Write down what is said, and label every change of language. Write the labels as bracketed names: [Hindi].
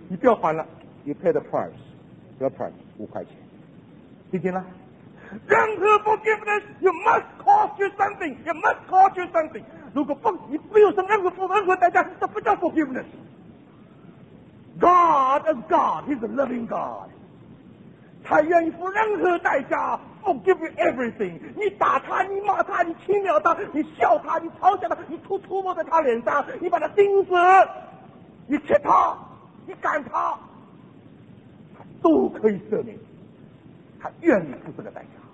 [Chinese] 你不要还了 ， you pay the price， your price，五块钱。听见了？ [English] 任何 forgiveness， you must cost you something， you must cost you something。 [Chinese] 如果不，你没有什么任何代价，这不叫 forgiveness。 [English] God is God， He's a loving God。 [Chinese] 他愿意付任何代价。 Forgive you everything。你打他，你骂他，你轻描他，你笑他，你嘲笑他，你吐唾沫在他脸上，你把他钉死，你切他，你赶他，他都可以赦免。他愿意付这个代价。